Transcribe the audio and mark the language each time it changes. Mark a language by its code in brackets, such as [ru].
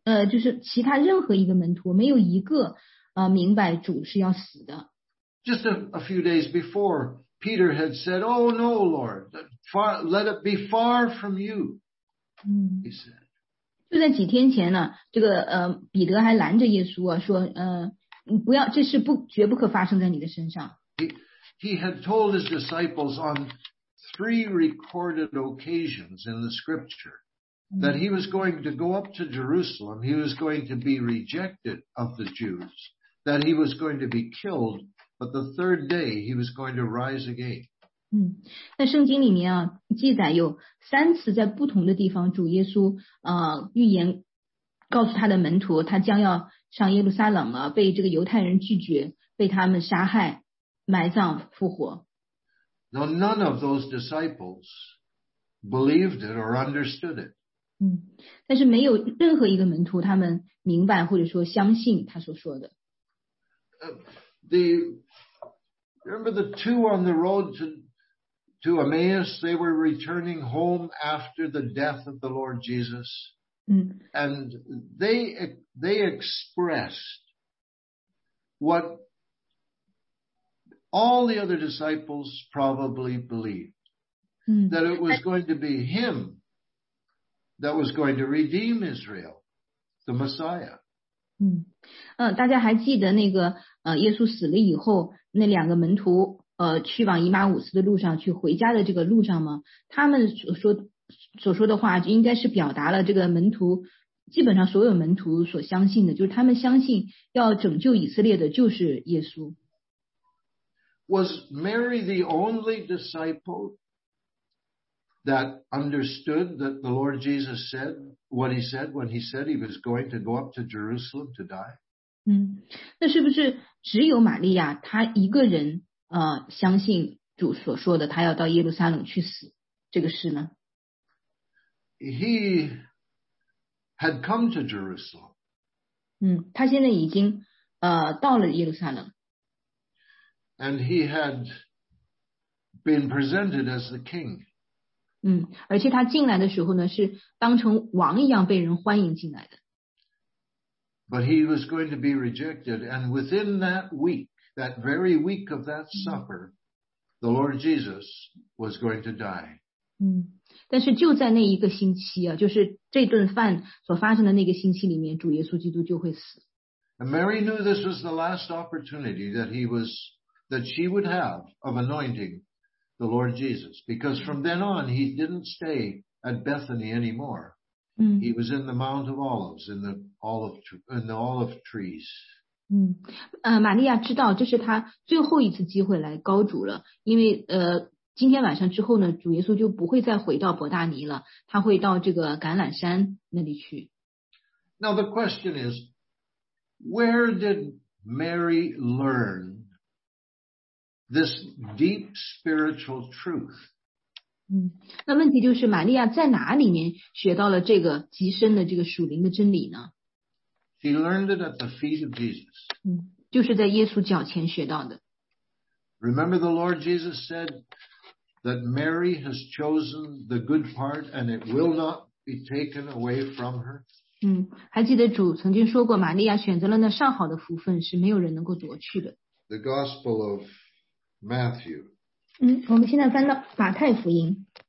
[zh] 就是其他任何一个门徒没有一个明白主是要死的。 [en] Just a few days before, Peter had said, Oh no, Lord, let it be far from you, he said. [zh] 就在几天前呢，这个彼得还拦着耶稣啊，说不要，这事不绝不可发生在你的身上。 [en] He had told his disciples on three recorded occasions in the scripture that he was going to go up to Jerusalem, he was going to be rejected of the Jews, that he was going to be killed. But the third day, he was going to rise again. [zh] 在圣经里面啊，记载有三次在不同的地方，主耶稣预言告诉他的门徒，他将要上耶路撒冷了，被这个犹太人拒绝，被他们杀害、埋葬、复活。 [en] Now none of those disciples believed it or understood it. [zh] 但是没有任何一个门徒他们明白或者说相信他所说的。 [en] Remember the two on the road to Emmaus? They were returning home after the death of the Lord Jesus. And they expressed what all the other disciples probably believed. That it was going to be him that was going to redeem Israel, the Messiah. [zh] 大家还记得那个耶稣死了以后那两个门徒去往以马忤斯的路上去回家的这个路上吗？他们所说的话就应该是表达了这个门徒基本上所有门徒所相信的，就是他们相信要拯救以色列的就是耶稣。 [en] Was Mary the only disciple that understood that the Lord Jesus said what he said when he said he was going to go up to Jerusalem to die? [zh] 那是不是只有玛利亚她一个人相信主所说的她要到耶路撒冷去死这个事呢？ [en] He had come to Jerusalem. [zh] 她现在已经到了耶路撒冷。 [en] And he had been presented as the king. [zh] 而且她进来的时候呢是当成王一样被人欢迎进来的。 [en] But he was going to be rejected, and within that week, that very week of that supper, the Lord Jesus was going to die. [zh] 但是就在那一个星期啊，就是这顿饭所发生的那个星期里面，主耶稣基督就会死。 [en] And Mary knew this was the last opportunity that she would have of anointing the Lord Jesus, because from then on, he didn't stay at Bethany anymore. He was in the Mount of Olives, in the olive trees. [zh] 玛利亚知道这是她最后一次机会来高主了，因为今天晚上之后呢，主耶稣就不会再回到伯大尼了，他会到这个橄榄山那里去。 [en] Now the question is, where did Mary learn this deep spiritual truth? [zh] 那问题就是玛利亚在哪里面学到了这个极深的这个属灵的真理呢？ [en] She learned it at the feet of Jesus. [zh] 就是在耶稣脚前学到的。 [en] Remember the Lord Jesus said that Mary has chosen the good part and it will not be taken away from her? [zh] 还记得主曾经说过，玛利亚选择了那上好的福分，是没有人能够夺去的。 [en] The Gospel of Matthew. [zh] 我们现在翻到马太福音。